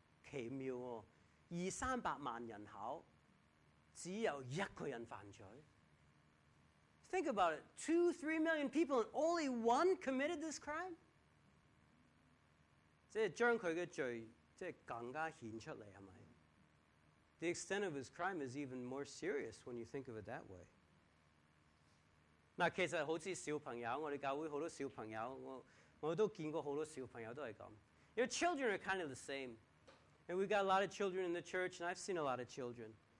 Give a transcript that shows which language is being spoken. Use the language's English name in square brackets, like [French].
[Chinese] 奇妙哦，二三百万人口，只有一个人犯罪。 [English] Think about it. 2-3 million people and only one committed this crime? [Chinese] 即是将他的罪即是更加显出来，是不是？ [English] The extent of his crime is even more serious when you think of it that way. [Chinese] 那其实好像小朋友我们教会很多小朋友 我都见过很多小朋友都是这样 [English] You know, children are kind of the same. And we've got a lot of children in the church, and I've seen a lot of children.